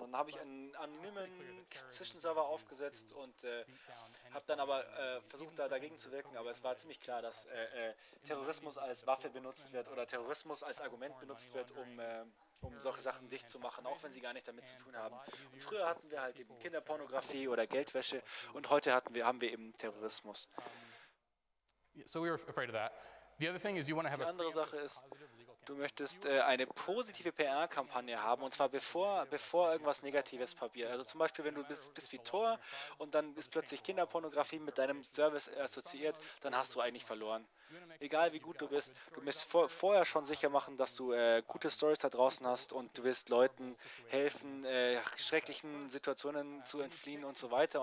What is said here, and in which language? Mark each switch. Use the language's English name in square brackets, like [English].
[German] Und dann habe ich einen anonymen Zwischenserver aufgesetzt und habe dann aber versucht, da dagegen zu wirken. Aber es war ziemlich klar, dass Terrorismus als Waffe benutzt wird oder Terrorismus als Argument benutzt wird, um solche Sachen dicht zu machen, auch wenn sie gar nicht damit zu tun haben. Und früher hatten wir halt eben Kinderpornografie oder Geldwäsche, und heute haben wir eben Terrorismus. [English] So we were afraid of that. The other thing is, you want to have [German] a andere Sache ist, du möchtest eine positive PR-Kampagne haben, und zwar bevor irgendwas Negatives passiert. Also zum Beispiel, wenn du bist wie Tor und dann ist plötzlich Kinderpornografie mit deinem Service assoziiert, dann hast du eigentlich verloren. Egal wie gut du bist, du musst vorher schon sicher machen, dass du gute Stories da draußen hast und du wirst Leuten helfen, schrecklichen Situationen zu entfliehen und so weiter.